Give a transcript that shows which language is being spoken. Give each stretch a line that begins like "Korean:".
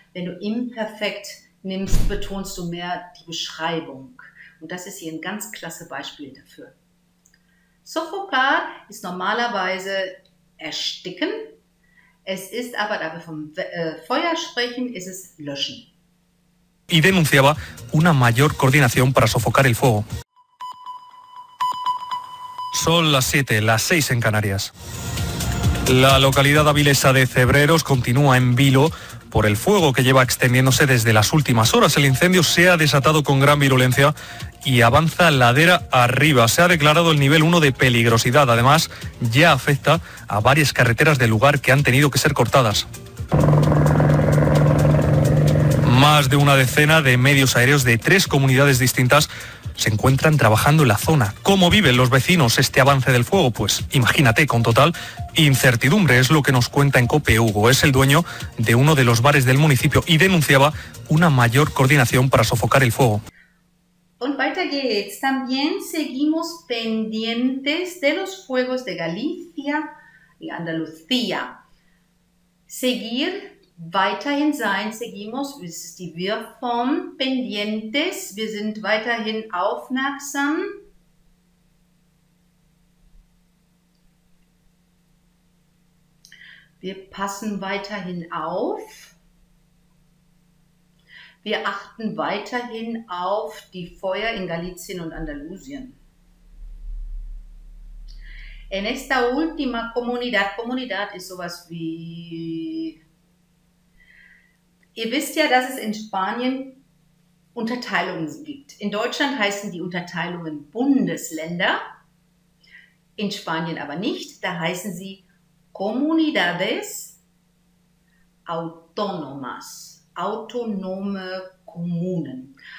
German: Wenn du imperfekt nimmst, betonst du mehr die Beschreibung. Und das ist hier ein ganz klasse Beispiel dafür. Sofocar ist normalerweise ersticken. Es ist aber, da wir vom Feuer sprechen, ist es löschen.
Spanish: Y denunciaba una mayor coordinación para sofocar el fuego. Son las 7, las 6 en Canarias. La localidad avilesa de Cebreros continúa en vilo por el fuego que lleva extendiéndose desde las últimas horas. El incendio se ha desatado con gran virulencia y avanza ladera arriba. Se ha declarado el nivel 1 de peligrosidad. Además, ya afecta a varias carreteras del lugar que han tenido que ser cortadas. Más de una decena de medios aéreos de 3 comunidades distintas se encuentran trabajando en la zona. ¿Cómo viven los vecinos este avance del fuego? Pues imagínate, con total incertidumbre. Es lo que nos cuenta en COPE Hugo. Es el dueño de uno de los bares del municipio y denunciaba una mayor coordinación para sofocar el fuego.
German: Und weiter geht's.
Spanish: También seguimos pendientes de los fuegos de Galicia y Andalucía. Seguir.
German: Weiterhin sein, seguimos, es ist die Wirrform, pendientes, wir sind weiterhin aufmerksam. Wir passen weiterhin auf. Wir achten weiterhin auf die Feuer in Galicien und Andalusien.
Spanish: En esta última comunidad, comunidad
German: ist sowas wie... Ihr wisst ja, dass es in Spanien Unterteilungen gibt. In Deutschland heißen die Unterteilungen Bundesländer, in Spanien aber nicht. Da heißen sie Comunidades Autónomas, autonome Kommunen.